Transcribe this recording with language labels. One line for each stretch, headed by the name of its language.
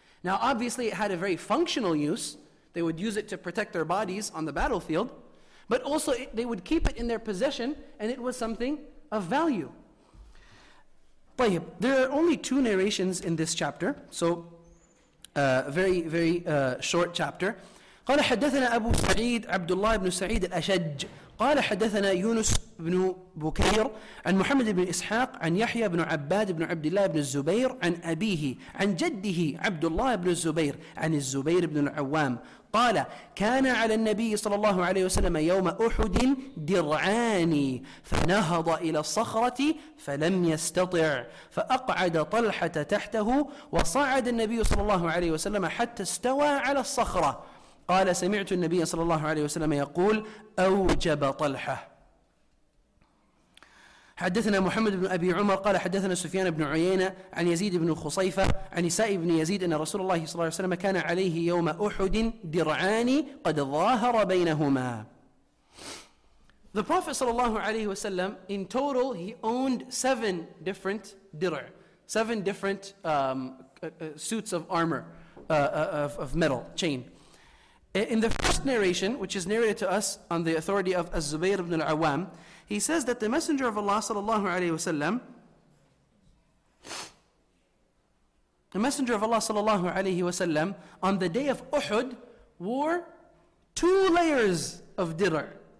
English: Now, obviously, it had a very functional use. They would use it to protect their bodies on the battlefield. But also, they would keep it in their possession, and it was something of value. There are only two narrations in this chapter. So, very, very short chapter.
Arabic: قال حدثنا أبو سعيد عبد الله بن سعيد الأشج قال حدثنا يونس بن بكير عن محمد بن إسحاق عن يحيى بن عباد بن عبد الله بن الزبير عن أبيه عن جده عبد الله بن الزبير عن الزبير بن العوام قال كان على النبي صلى الله عليه وسلم يوم أحد درعان فنهض إلى الصخرة فلم يستطع فأقعد طلحة تحته وصعد النبي صلى الله عليه وسلم حتى استوى على الصخرة قال سمعت النبي صلى الله عليه وسلم يقول أوجب طلحة حدثنا محمد بن أبي عمر قال حدثنا سفيان بن عيينة عن يزيد بن خصيفة عن إساء بن يزيد أن رسول الله صلى الله عليه وسلم كان عليه يوم أحد درعان قد ظاهر بينهما.
English: The Prophet
Arabic: صلى الله عليه وسلم,
English: in total he owned 7 different dirr, 7 different suits of armor, of metal chain. In the first narration, which is narrated to us on the authority of Az-Zubayr ibn al-Awwam, he says that the Messenger of Allah sallallahu alayhi wasallam, the Messenger of Allah sallallahu alayhi wasallam, on the day of Uhud, wore 2 layers of dirr.